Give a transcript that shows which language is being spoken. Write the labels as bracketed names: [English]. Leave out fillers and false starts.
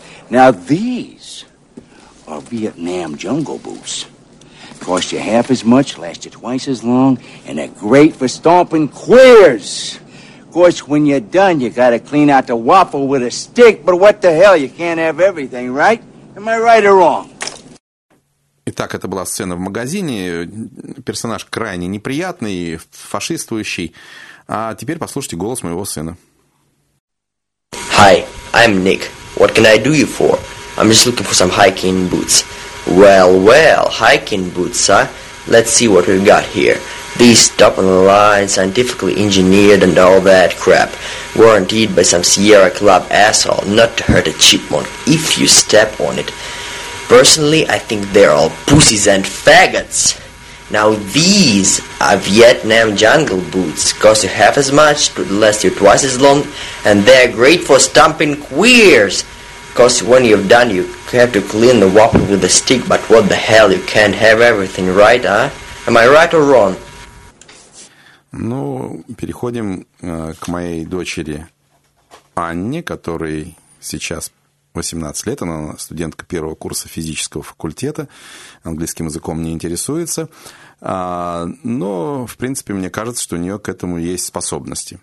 [English] Now, these are Vietnam jungle boots. Cost you half as much, last you twice as long, and they're great for stomping queers. Of course, when you're done, you gotta clean out the waffle with a stick, but what the hell, you can't have everything, right? Am I right or wrong? [Russian] Итак, это была сцена в магазине. Персонаж крайне неприятный, фашистующий. А теперь послушайте голос моего сына. [English] Hi, I'm Nick. What can I do you for? I'm just looking for some hiking boots. Well, hiking boots, huh? Let's see what we've got here. These top-of-the-line, scientifically engineered and all that crap. Warranted by some Sierra Club asshole not to hurt a chipmunk if you step on it. Personally, I think they're all pussies and faggots. Now these are Vietnam jungle boots. Cost you half as much, but last you twice as long. And they're great for stomping queers. Because when you've done, you have to clean the waffle with a stick, but what the hell, you can't have everything, right, huh? Am I right or wrong? [Russian] Ну, переходим к моей дочери Анне, которой сейчас 18 лет, она студентка первого курса физического факультета, английским языком не интересуется, но, в принципе, мне кажется, что у нее к этому есть способности.